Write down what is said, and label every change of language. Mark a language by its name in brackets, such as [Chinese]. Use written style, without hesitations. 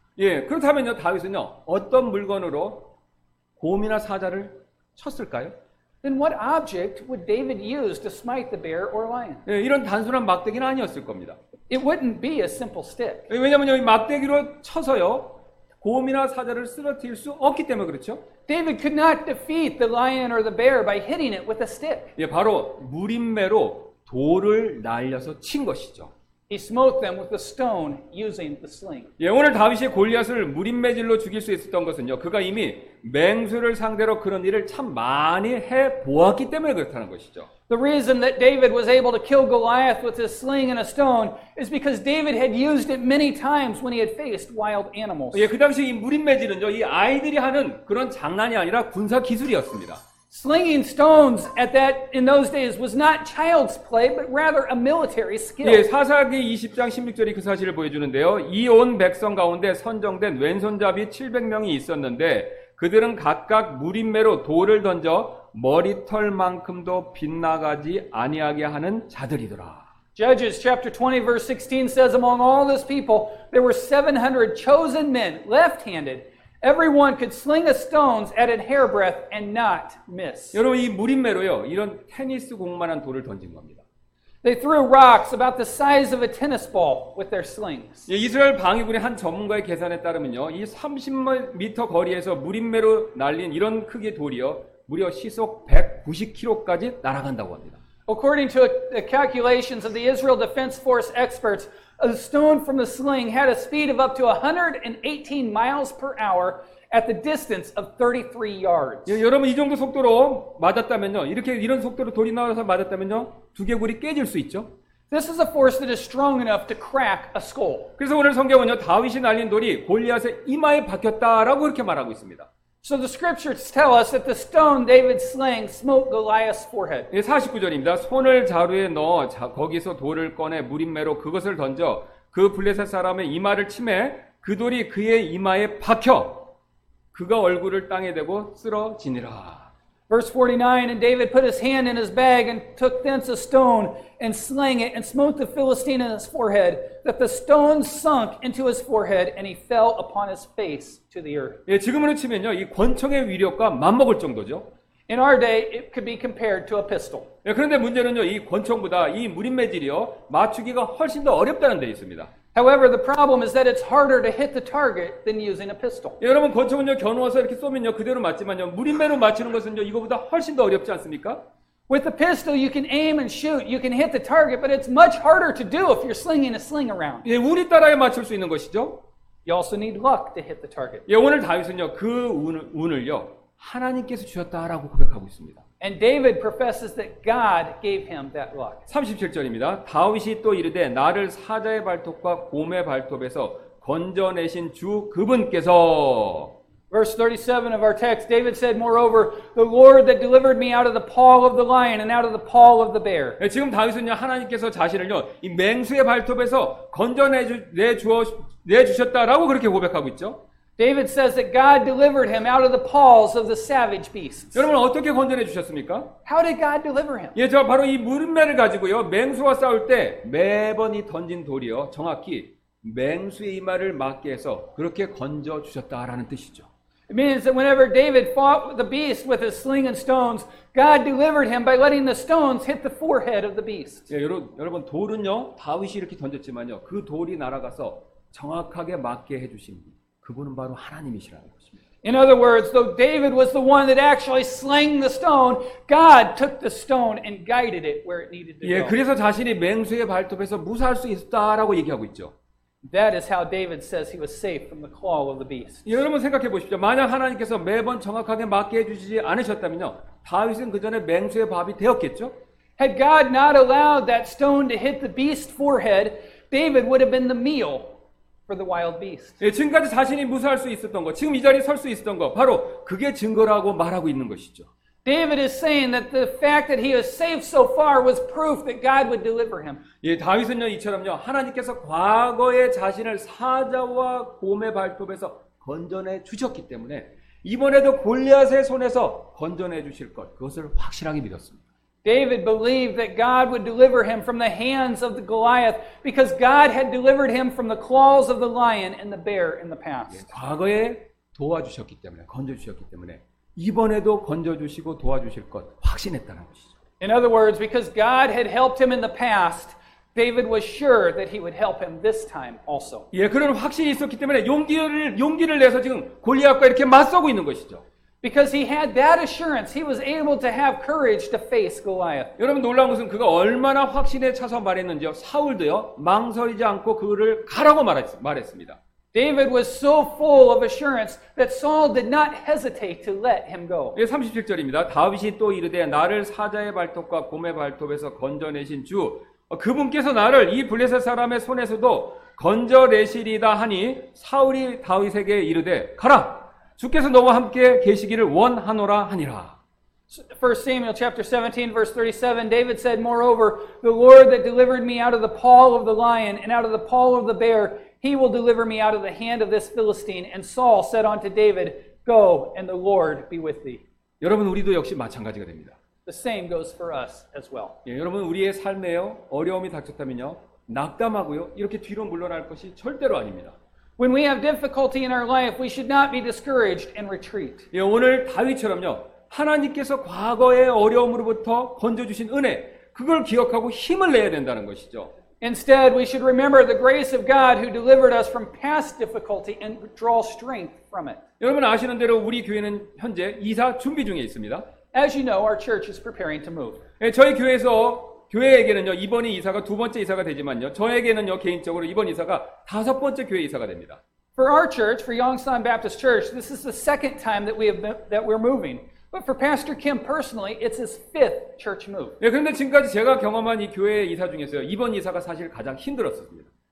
[Korean] 예, 그렇다면요 다윗은요 어떤 물건으로 곰이나 사자를 쳤을까요? [English] Then what object would David use to smite the bear or lion? [Korean] 예, 이런 단순한 막대기는 아니었을 겁니다. [English] It wouldn't be a simple stick. [Korean] 예, 왜냐면요, 이 막대기로 쳐서요, 곰이나 사자를 쓰러뜨릴 수 없기 때문에 그렇죠? [English] David could not defeat the lion or the bear by hitting it with a stick. [Korean] 예, 바로 무림매로 돌을 날려서 친 것이죠. [English] He smote them with a stone using the sling. [Korean] 예, 오늘 다윗이 골리앗을 무림매질로 죽일 수 있었던 것은요, 그가 이미 맹수를 상대로 그런 일을 참 많이 해 보았기 때문에 그렇다는 것이죠. [English] The reason that David was able to kill Goliath with his sling and a stone is because David had used it many times when he had faced wild animals. [Korean] 예, 그 당시 이 무림매질은요, 이 아이들이 하는 그런 장난이 아니라 군사 기술이었습니다. [English] Slinging stones at that in those days was not child's play, but rather a military skill. [Korean] 예, 사사기 20장 16절이 그 사실을 보여주는데요. 이 온 백성 가운데 선정된 왼손잡이 700명이 있었는데 그들은 각각 무림매로 돌을 던져 머리털만큼도 빗나가지 아니하게 하는 자들이더라. [English] Judges chapter 20 verse 16 says, Among all this people, there were 700 chosen men, left-handed. Everyone could sling a stone at a hairbreadth and not miss. [Korean] 여러분 이 무림매로요 이런 테니스 공만한 돌을 던진 겁니다. [English] They threw rocks about the size of a tennis ball with their slings. [Korean] 예, 이스라엘 방위군의 한 전문가의 계산에 따르면요 이 30m 거리에서 무림매로 날린 이런 크기의 돌이요 무려 시속 190km까지 날아간다고 합니다. [English] According to the calculations of the Israel Defense Force experts. A stone from the sling had a speed of up to 118 miles per hour at the distance of 33 yards. [Korean] 예, 여러분 이 정도 속도로 맞았다면요. 이렇게 이런 속도로 돌이 나와서 맞았다면요. 두개골이 깨질 수 있죠. [English] This is a force that is strong enough to crack a skull. [Korean] 그래서 오늘 성경은요. 다윗이 날린 돌이 골리앗의 이마에 박혔다라고 이렇게 말하고 있습니다. [English] So the scriptures tell us that the stone David slung smote Goliath's forehead. [Korean] 예, 49절입니다. 손을 자루에 넣어 거기서 돌을 꺼내 무림매로 그것을 던져 그 블레셋 사람의 이마를 치매 그 돌이 그의 이마에 박혀 그가 얼굴을 땅에 대고 쓰러지니라. [English] Verse 49, And David put his hand in his bag and took thence a stone and slung it and smote the Philistine in his forehead, that the stone sunk into his forehead and he fell upon his face to the earth. [Korean] 예, 지금으로 치면요, 이 권총의 위력과 맞먹을 정도죠. [English] In our day, it could be compared to a pistol. [Korean] 예, 그런데 문제는요, 이 권총보다 이 무림매질이요, 맞추기가 훨씬 더 어렵다는 데 있습니다. [English] However, the problem is that it's harder to hit the target than using a pistol. [Korean] 예, 여러분, 권총은요, 겨누어서 이렇게 쏘면요, 그대로 맞지만요, 무림매로 맞추는 것은요, 이거보다 훨씬 더 어렵지 않습니까? [English] With a pistol, you can aim and shoot, you can hit the target, but it's much harder to do if you're slinging a sling around. [Korean] 예, 운이 따라야 맞출 수 있는 것이죠. [English] You also need luck to hit the target. [Korean] 예, 오늘 다윗은요, 그 운을요, 하나님께서 주셨다라고 고백하고 있습니다. [English] And David professes that God gave him that luck. [Korean] 37절입니다. 다윗이 또 이르되 나를 사자의 발톱과 곰의 발톱에서 건져내신 주 그분께서 [English] Verse 37 of our text, David said, Moreover, the Lord that delivered me out of the paw of the lion and out of the paw of the bear. [Korean] 예, 지금 다윗은요, 하나님께서 자신을요, 이 맹수의 발톱에서 건져내주셨다라고 그렇게 고백하고 있죠. [English] David says that God delivered him out of the paws of the savage beasts. [Korean] 여러분 어떻게 건져내 주셨습니까? [English] How did God deliver him? [Korean] 예, 저 바로 이 무릎매를 가지고요. 맹수와 싸울 때 매번 이 던진 돌이요. 정확히 맹수의 이마를 맞게 해서 그렇게 건져 주셨다라는 뜻이죠. [English] It means that whenever David fought the beast with his sling and stones, God delivered him by letting the stones hit the forehead of the beast. [Korean] 예, 여러분 돌은요. 다윗이 이렇게 던졌지만요. 그 돌이 날아가서 정확하게 맞게 해 주십니다. 그분은 바로 하나님이시라는 것입니다. [English] In other words, though David was the one that actually slung the stone, God took the stone and guided it where it needed to go. [Korean] 예, 그래서 자신이 맹수의 발톱에서 무사할 수 있었다라고 얘기하고 있죠. [English] That is how David says he was safe from the claw of the beast. [Korean] 예, 여러분 생각해 보십시오. 만약 하나님께서 매번 정확하게 맞게 해 주시지 않으셨다면요. 다윗은 그전에 맹수의 밥이 되었겠죠? [English] Had God not allowed that stone to hit the beast's forehead, David would have been the meal. For the wild beast. [Korean] 예, 지금까지 자신이 무사할 수 있었던 것, 지금 이 자리에 설 수 있었던 것, 바로 그게 증거라고 말하고 있는 것이죠. [English] David is saying that the fact that he was safe so far was proof that God would deliver him. [Korean] 예, 다윗은요 이처럼요 하나님께서 과거에 자신을 사자와 곰의 발톱에서 건져내 주셨기 때문에 이번에도 골리앗의 손에서 건져내 주실 것, 그것을 확실하게 믿었습니다. [English] David believed that God would deliver him from the hands of the Goliath because God had delivered him from the claws of the lion and the bear in the past. [Korean] 예, 과거에 도와주셨기 때문에, 건져주셨기 때문에 이번에도 건져주시고 도와주실 것 확신했다는 것이죠. [English] In other words, because God had helped him in the past, David was sure that he would help him this time also. [Korean] 예, 그런 확신이 있었기 때문에 용기를 내서 지금 골리앗과 이렇게 맞서고 있는 것이죠. [English] Because he had that assurance, he was able to have courage to face Goliath. [Korean] 여러분 놀라운 것은 그가 얼마나 확신에 차서 말했는지요. 사울도요 망설이지 않고 그를 가라고 말했습니다. [English] David was so full of assurance that Saul did not hesitate to let him go. [Korean] 예, 37절입니다. 다윗이 또 이르되 나를 사자의 발톱과 곰의 발톱에서 건져내신 주 그분께서 나를 이 블레셋 사람의 손에서도 건져내시리다 하니 사울이 다윗에게 이르되 가라. 주께서 너와 함께 계시기를 원하노라 하니라. [English] 1 Samuel chapter 17 verse 37 David said moreover the Lord that delivered me out of the paw of the lion and out of the paw of the bear he will deliver me out of the hand of this Philistine and Saul said unto David go and the Lord be with thee. [Korean] 여러분 우리도 역시 마찬가지가 됩니다. [English] The same goes for us as well. [Korean] 예, 여러분 우리의 삶에요 어려움이 닥쳤다면요 낙담하고요 이렇게 뒤로 물러날 것이 절대로 아닙니다. [English] When we have difficulty in our life, we should not be discouraged and retreat. [Korean] 예, 오늘 다윗처럼요. 하나님께서 과거의 어려움으로부터 건져주신 은혜, 그걸 기억하고 힘을 내야 된다는 것이죠. [English] Instead, we should remember the grace of God who delivered us from past difficulty and draw strength from it. [Korean] 여러분 아시는 대로 우리 교회는 현재 이사 준비 중에 있습니다. [English] As you know, our church is preparing to move. [Korean] 예, 저희 교회에서 교회에게는요 이번이 이사가 두 번째 이사가 되지만요 저에게는요 개인적으로 이번 이사가 다섯 번째 교회 이사가 됩니다. [English] For our church, for Yongsan Baptist Church, this is the second time that we're moving. But for Pastor Kim personally, it's his fifth church move. [Korean] 네, 그런데 지금까지 제가 경험한 이 교회 이사 중에서 이번 이사가 사실 가장 힘들었습니다.